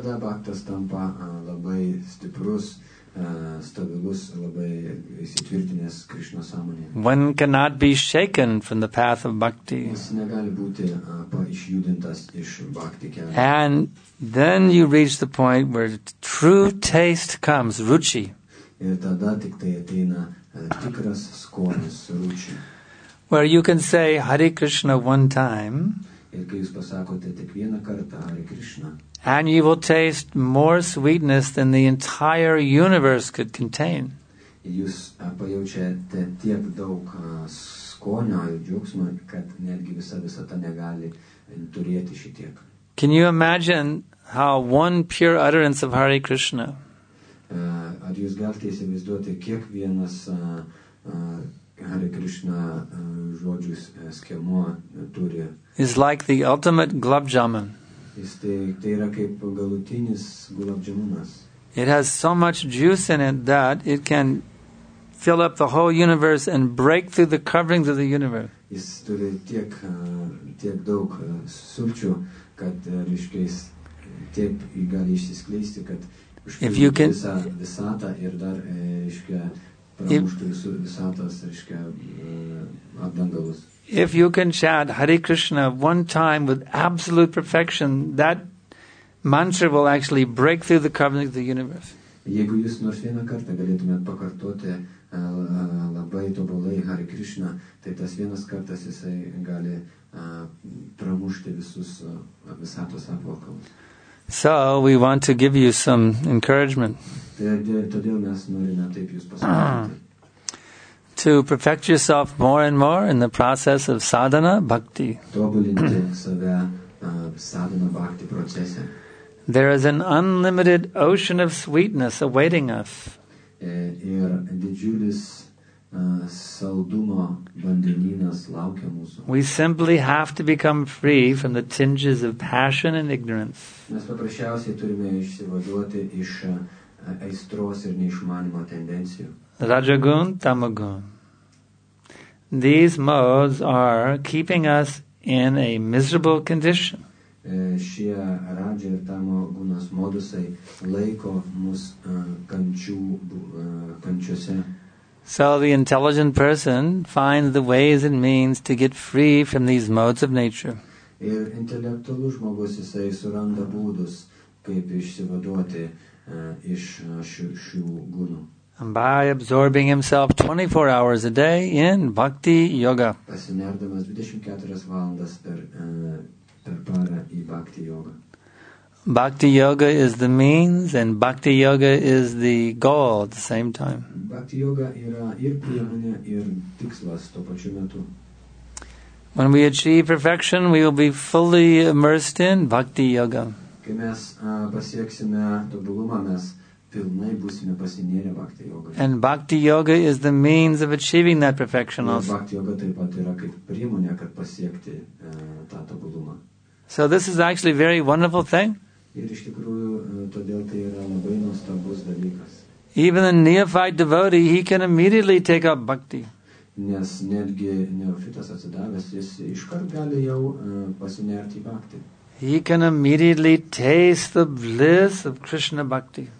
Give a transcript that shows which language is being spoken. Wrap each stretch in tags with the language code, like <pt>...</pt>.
<lt>Tada bhaktas tampa labai stiprus, stabilus, labai įsitvirtinęs Krishna sąmonėje.</lt> <en>One cannot be shaken from the path of bhakti.</en> <lt>Jis negali būti išjudintas iš bhakti kelio.</lt> <en>And then you reach the point where true taste comes, ruchi.</en> <lt>Ir tada tik tai ateina tikras skonis, ruchi.</lt> <en>Where you can say Hare Krishna one time,</en> <lt>ir kai jūs pasakote tik vieną kartą Hare Krishna,</lt> <en>and you will taste more sweetness than the entire universe could contain.</en> <lt>Jūs pajaučiate tiek daug skonio ir džiaugsmo, kad netgi visa visata negali turėti šitiek.</lt> <en>Can you imagine how one pure utterance of Hare Krishna,</en> <lt>ar jūs galite įsivaizduoti, kiek vienas Hare Krishna žodžius skiemuo turi?</lt> <en>Is like the ultimate gulab jamun.</en> <lt>Tai yra kaip galutinis gulab jamunas.</lt> <en>It has so much juice in it that it can fill up the whole universe and break through the coverings of the universe.</en> <lt>Jis turi tiek daug sulčių, kad reiškiais tiek gali išsiskleisti, kad</lt> <en>if you can</en> <lt>visata ir dar reiškia pramuštų visatos reiškia apdangalus.</lt> <en>If you can chant Hare Krishna one time with absolute perfection, that mantra will actually break through the covering of the universe.</en> <lt>Jeigu jūs nors vieną kartą galėtumėt pakartoti labai tobulai Hare Krishna, tai tas vienas kartas jisai gali pramušti visus visatos apvalkalus.</lt> <en>So we want to give you some encouragement.</en> <lt>Todėl mes norime taip jūs pasakyti.</lt> <en>To perfect yourself more and more in the process of sadhana bhakti. There is an unlimited ocean of sweetness awaiting us.</en> <lt>ir didžiulis saldumo vandenynas laukia mūsų.</lt> <en>We simply have to become free from the tinges of passion and ignorance.</en> <lt>Mes paprasčiausiai turime išsivaduoti iš aistros ir neišmanimo tendencijų.</lt> <sa>Rajagun, tamagun.</sa> <en>These modes are keeping us in a miserable condition.</en> <lt>Šie radža ir tamo gunas modusai laiko mus kančiuose.</lt> <en>So the intelligent person finds the ways and means to get free from these modes of nature.</en> <lt>Ir intelektualus žmogus jisai suranda būdus, kaip išsivaduoti iš šių gunų.</lt> <en>And by absorbing himself 24 hours a day in bhakti yoga.</en> <lt>Pasinerdamas 24 valandas per parą į bhakti yoga.</lt> <en>Bhakti yoga is the means and bhakti yoga is the goal at the same time.</en> <lt>Bhakti yoga yra ir priemonė ir tikslas tuo pačiu metu.</lt> <en>When we achieve perfection, we will be fully immersed in bhakti yoga.</en> <lt>Kai mes pasieksime tobulumą, mes pilnai būsime pasinėrę bhakti yoga.</lt> <en>And bhakti yoga is the means of achieving that perfection also.</en> <lt>Bhakti yoga taip pat yra kaip priemonė, kad pasiekti tą tobulumą.</lt> <en>So this is actually a very wonderful thing.</en> <lt>Ir iš tikrųjų, todėl tai yra labai nuostabus dalykas.</lt> <en>Even a neophyte devotee, he can immediately take up bhakti.</en> <lt>Nes netgi neofitas atsidavęs, jis iškart gali jau pasinerti į bhakti.</lt> <en>He can immediately taste the bliss of Krishna bhakti.</en>